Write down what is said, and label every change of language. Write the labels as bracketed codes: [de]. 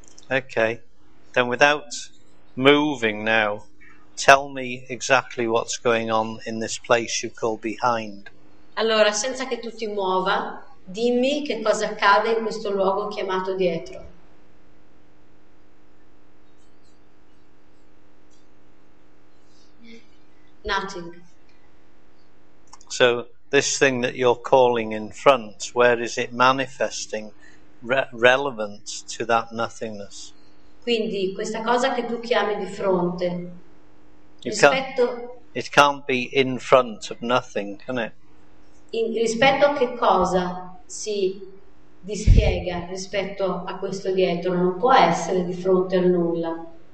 [en] Okay, then without moving now, tell me exactly what's going on in this place you call behind. [it] Allora, senza che tu ti muova, dimmi che cosa accade in questo luogo chiamato dietro. [en] Nothing. So this thing that you're calling in front, where is it manifesting relevant to that nothingness? [it] Quindi questa cosa che tu chiami di fronte, [en] it can't be in front of nothing, can it? [it] Rispetto a che cosa si dispiega rispetto a questo dietro, non può essere di fronte al nulla.